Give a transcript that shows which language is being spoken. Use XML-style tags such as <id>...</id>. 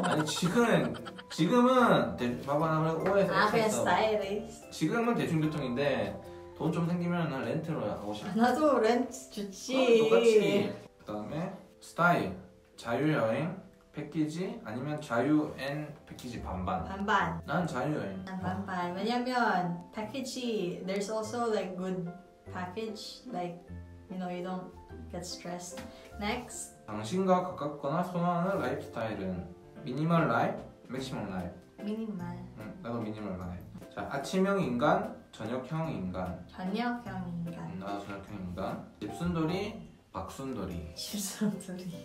<ko>아니, 지금은 봐봐, 나 오해 했어. 아, 그냥 스타일이. 지금은 대중교통인데 돈 좀 생기면 난 렌트로 하고 싶어. 나도 렌트 좋지. 똑같이. 그 다음에 스타일 자유여행 패키지 아니면 자유 앤 패키지 반반. 반반. 난 자유여행. 난 반반. 왜냐면 패키지</ko> <en>there's also like good package like you know you don't get stressed. Next.</en> <ko>당신과 가깝거나 선호하는 라이프스타일은 미니멀 라이프, 맥시멀 라이프. 미니멀. 나도 미니멀 라이프. 자, 아침형 인간, 저녁형 인간. 저녁형 인간. 나도 저녁형 인간. 집순돌이. 박순돌이. 집순돌이.</ko>